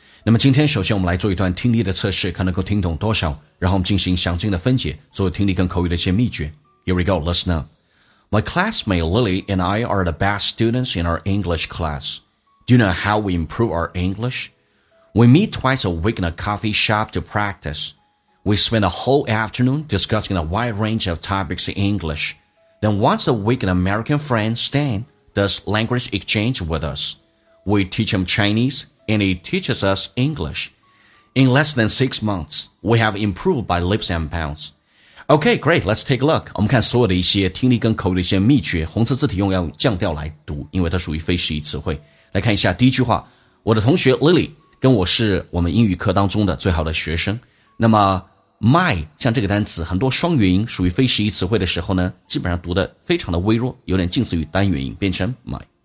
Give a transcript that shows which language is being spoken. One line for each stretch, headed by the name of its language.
Chinese: 那么今天首先我们来做一段听力的测试，看能够听懂多少，然后我们进行详尽的分解，做听力跟口语的一些秘诀。
English: Here we go, listen up. My classmate Lily and I are the best students in our English class. Do you know how we improve our English? We meet twice a week in a coffee shop to practice. We spend a whole afternoon discussing a wide range of topics in English. Then once a week, an American friend, Stan, does language exchange with us. We teach him Chinese, and he teaches us English. In less than 6 months, we have improved by leaps and bounds. Okay, great, let's take a look.
Chinese: 我们看所有的一些听力跟口语的一些秘诀，红色字体用要降调来读，因为它属于非实义词汇。来看一下第一句话，我的同学 Lily 跟我是我们英语课当中的最好的学生。那么My 像这个单词，很多双元音属于非实义词汇的时候呢，基本上读得非常的微弱，有点近似于单元音，变成 my。